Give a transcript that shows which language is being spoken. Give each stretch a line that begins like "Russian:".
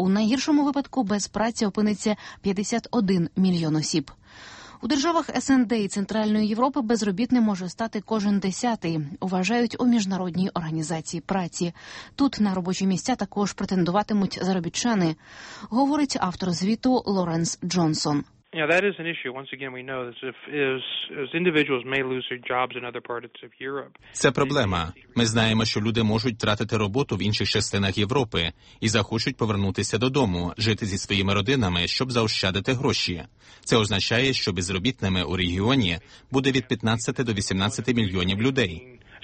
Ukrainian: У найгіршому випадку без праці опиниться 51 мільйон осіб. У державах СНД і Центральної Європи безробітним може стати кожен десятий, вважають у Міжнародній організації праці. Тут на робочі місця також претендуватимуть заробітчани, говорить автор звіту Лоренс Джонсон.
English: Yeah, that is an issue. Once again, we know that as individuals may lose their jobs in other parts of Europe.
Ukrainian: Це проблема. Ми знаємо, що люди можуть втратити роботу в інших частинах Європи і захочуть повернутися додому, жити зі своїми родинами, щоб заощадити гроші. Це означає, що безробітними у регіоні буде від 15 до 18 мільйонів людей.